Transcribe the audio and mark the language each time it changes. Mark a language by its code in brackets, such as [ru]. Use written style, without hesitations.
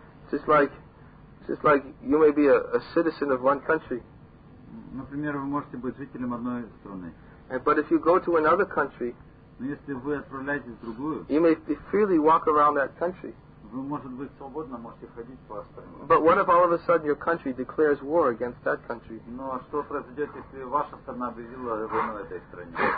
[en] It's just like you may be a citizen of one country. [ru] Например, вы можете быть жителем одной страны. [en] But if you go to another country, [ru] но если вы отправляетесь в другую, [en] you may freely walk around that country. [ru] Вы, может быть, свободно можете ходить по стране. [en] But what if all of a sudden your country declares war against that country? [ru] Но что произойдет, если ваша страна объявила войну этой стране?